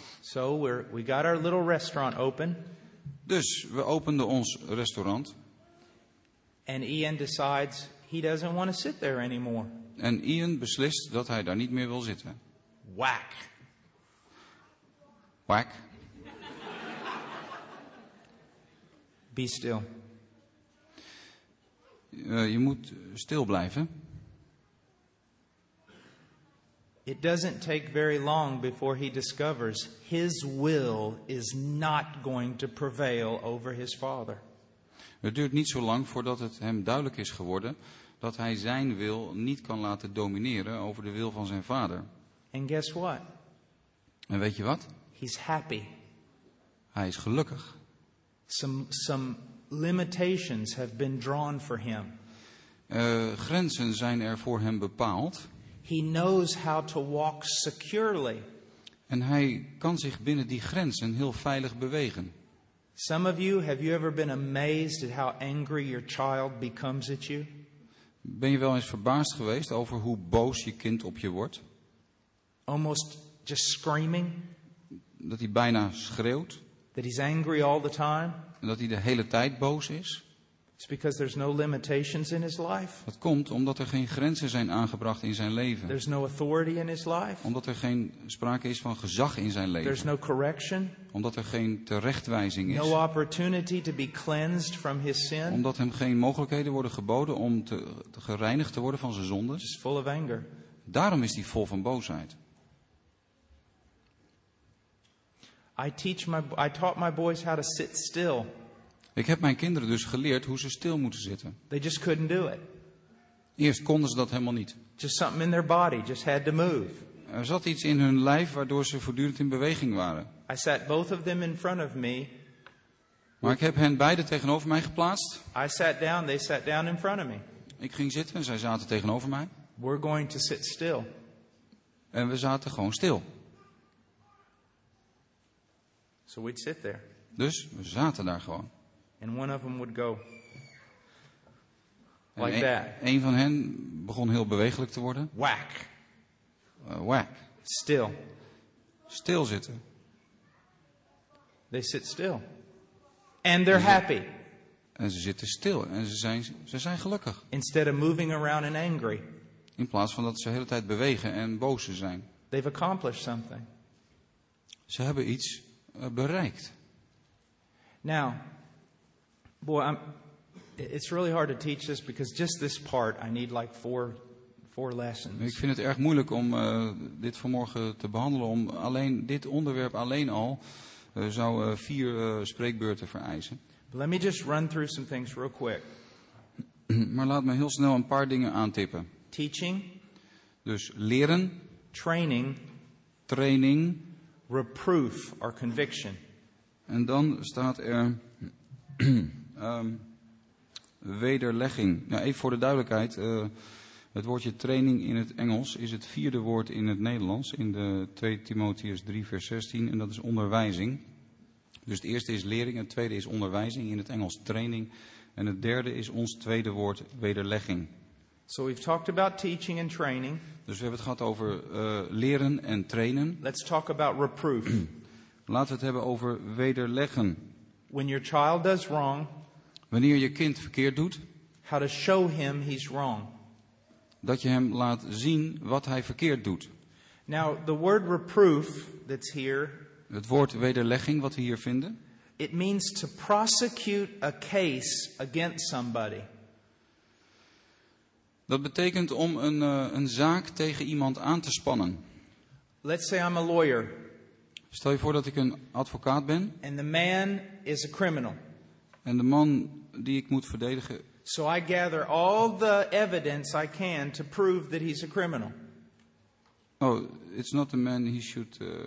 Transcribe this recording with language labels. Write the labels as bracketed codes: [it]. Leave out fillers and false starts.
[en] So we got our little restaurant open. [nl] Dus we openden ons restaurant. [en] And Ian decides he doesn't want to sit there anymore. [nl] En Ian beslist dat hij daar niet meer wil zitten. [en] Whack. [nl] Whack. [en] Be still. [nl] Je moet stil blijven. [en] It doesn't take very long before he discovers his will is not going to prevail over his father. [nl] Het duurt niet zo lang voordat het hem duidelijk is geworden dat hij zijn wil niet kan laten domineren over de wil van zijn vader. [en] And guess what? [nl] En weet je wat? [en] He's happy. [nl] Hij is gelukkig. [en] Some limitations have been drawn for him. [nl] Grenzen zijn er voor hem bepaald. [en] He knows how to walk securely. [nl] En hij kan zich binnen die grenzen heel veilig bewegen. [en] Some of you, have you ever been amazed at how angry your child becomes at you? [nl] Ben je wel eens verbaasd geweest over hoe boos je kind op je wordt? [en] Almost just screaming. [nl] Dat hij bijna schreeuwt. [en] That he's angry all the time. [nl] En dat hij de hele tijd boos is. [en] It's because there's no limitations in his life. [nl] Dat komt omdat er geen grenzen zijn aangebracht in zijn leven. [en] There's no authority in his life. [nl] Omdat er geen sprake is van gezag in zijn leven. [en] There's no correction. [nl] Omdat er geen terechtwijzing is. [en] No opportunity to be cleansed from his sin. [nl] Omdat hem geen mogelijkheden worden geboden om te gereinigd te worden van zijn zonden. [en] He's full of anger. [nl] Daarom is hij vol van boosheid. [en] I taught my boys how to sit still. [nl] Ik heb mijn kinderen dus geleerd hoe ze stil moeten zitten. [en] They just couldn't do it. [nl] Eerst konden ze dat helemaal niet. [en] Just something in their body just had to move. [nl] Er zat iets in hun lijf waardoor ze voortdurend in beweging waren. [en] I sat both of them in front of me. [nl] Maar ik heb hen beide tegenover mij geplaatst. [en] I sat down, they sat down in front of me. [nl] Ik ging zitten en zij zaten tegenover mij. [en] We're going to sit still. [nl] En we zaten gewoon stil. [en] So we'd sit there. [nl] Dus we zaten daar gewoon. [en] And one of them would go like that. [nl] Een van hen begon heel bewegelijk te worden. [en] Whack. [nl] Whack. [en] Still. [nl] Stil zitten. [en] They sit still. And they're happy. [nl] En ze zitten stil en ze zijn gelukkig. [en] Instead of moving around and angry. [nl] In plaats van dat ze de hele tijd bewegen en boos zijn. [en] They've accomplished something. [nl] Ze hebben iets bereikt. [en] Now, boy, it's really hard to teach this because just this part, I need like four lessons. [nl] Ik vind het erg moeilijk om dit vanmorgen te behandelen, om alleen dit onderwerp alleen al zou vier spreekbeurten vereisen. [en] But let me just run through some things real quick. [nl] Maar laat me heel snel een paar dingen aantippen. [en] Teaching. [nl] Dus leren. [en] Training. [nl] Training. [en] Reproof or conviction. [nl] En dan staat er wederlegging. Ja, even voor de duidelijkheid. Het woordje training in het Engels is het vierde woord in het Nederlands. In de 2 Timotheus 3 vers 16. En dat is onderwijzing. Dus het eerste is lering. Het tweede is onderwijzing. In het Engels training. En het derde is ons tweede woord wederlegging. [en] So we've talked about teaching and training. [nl] Dus we hebben het gehad over leren en trainen. [en] Let's talk about reproof. [nl] Laten we het hebben over wederleggen. [en] When your child does wrong, [nl] wanneer je kind verkeerd doet, [en] how to show him he's wrong. [nl] Dat je hem laat zien wat hij verkeerd doet. [en] Now, the word reproof that's here, [nl] het woord wederlegging wat we hier vinden, [en] it means to prosecute a case against somebody. [nl] Dat betekent om een zaak tegen iemand aan te spannen. [en] Let's say I'm a lawyer. [nl] Stel je voor dat ik een advocaat ben. [en] And the man is a criminal. [nl] En de man die ik moet verdedigen. [en] So I gather all the evidence I can to prove that he's a criminal. Oh, it's not the man he should.